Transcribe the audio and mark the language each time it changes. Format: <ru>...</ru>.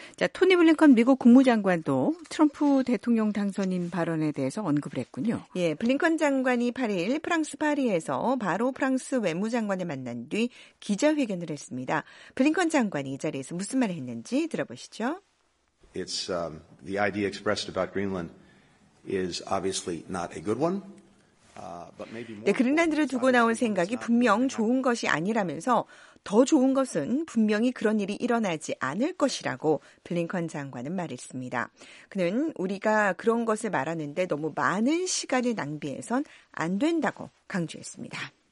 <ko>자, 토니 블링컨 미국 국무장관도 트럼프 대통령 당선인 발언에 대해서 언급을 했군요. 예, 블링컨 장관이 8일 프랑스 파리에서 바로 프랑스 외무장관을 만난 뒤 기자회견을 했습니다. 블링컨 장관이 이 자리에서 무슨 말을 했는지 들어보시죠.</ko> <en>It's the idea expressed about Greenland is obviously not a good one.</en> <ko>네, 그린란드를 두고 나온 생각이 분명 좋은 것이 아니라면서 더 좋은 것은 분명히 그런 일이 일어나지 않을 것이라고 블링컨 장관은 말했습니다. 그는 우리가 그런 것을 말하는데 너무 많은 시간을 낭비해선 안 된다고 강조했습니다.</ko>